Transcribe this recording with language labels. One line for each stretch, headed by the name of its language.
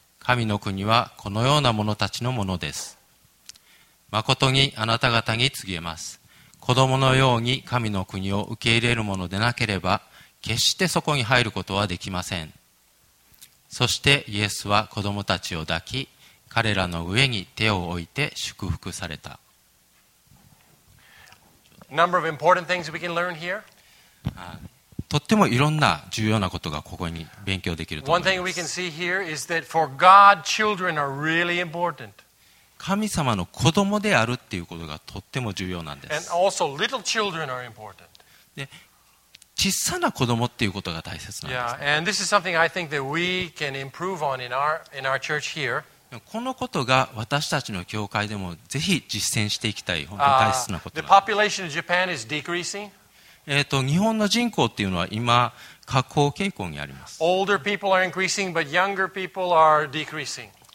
Japanese: 神の国はこのような者たちのものです。誠にあなた方に告げます、子供のように神の国を受け入れるものでなければ決してそこに入ることはできません。そしてイエスは子供たちを抱き彼らの上に手を置いて祝福された。
English: Number of important things we can learn here.
Japanese: とってもいろんな重要なことがここに勉強できると思います。
English: One thing we can see here is that for God, children are really important.
Japanese: 神様の子供であるっていうことがとっても重要なんです。
English: And also, little children are important.
Japanese: で、小さな子供っていうことが大切なんです。
English: Yeah, and this is something I think that we can improve on in our church here.
Japanese: このことが私たちの教会でもぜひ実践していきたい本当に大切なことなんです。
English: The population of Japan is decreasing.
Japanese: 日本の人口っていうのは今下降傾向にあります。
English: Older people are increasing, but younger people are decreasing.